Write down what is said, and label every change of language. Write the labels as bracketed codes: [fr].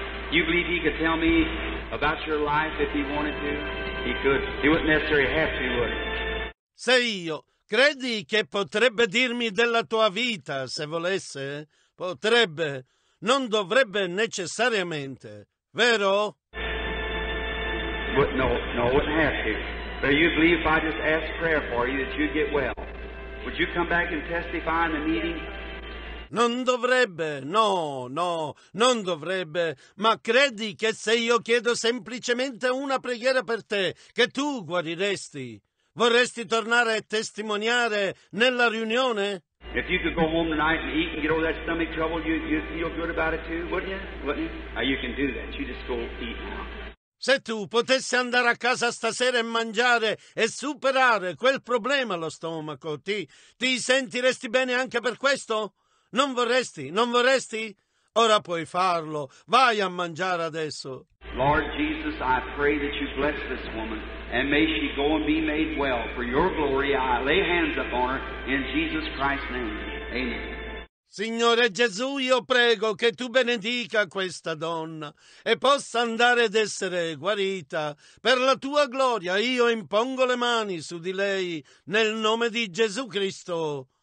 [en] You believe he could tell me about your life if he wanted to? He could. He wouldn't necessarily have to, would he? [it] Se io, credi che potrebbe dirmi della tua vita se volesse? Potrebbe, non dovrebbe necessariamente, vero? [en] But no, wouldn't have to. But you believe if I just ask prayer for you that you'd get well? Would you come back and testify in the meeting? [it] Non dovrebbe, no, non dovrebbe. Ma credi che se io chiedo semplicemente una preghiera per te, che tu guariresti? Vorresti tornare a testimoniare nella riunione? [en] If you could go home tonight and eat and get all that stomach trouble, you'd feel good about it too, wouldn't you? You can do that. You just go eat now. [it] Se tu potessi andare a casa stasera e mangiare e superare quel problema allo stomaco, ti sentiresti bene anche per questo? Non vorresti? Non vorresti? Ora puoi farlo. Vai a mangiare adesso. [en] Lord Jesus, I pray that you bless this woman. And may she go and be made well. For your glory, I lay hands upon her in Jesus Christ's name. Amen. [it] Signore Gesù, io prego che tu benedica questa donna e possa andare ed essere guarita. Per la tua gloria, io impongo le mani su di lei nel nome di Gesù Cristo.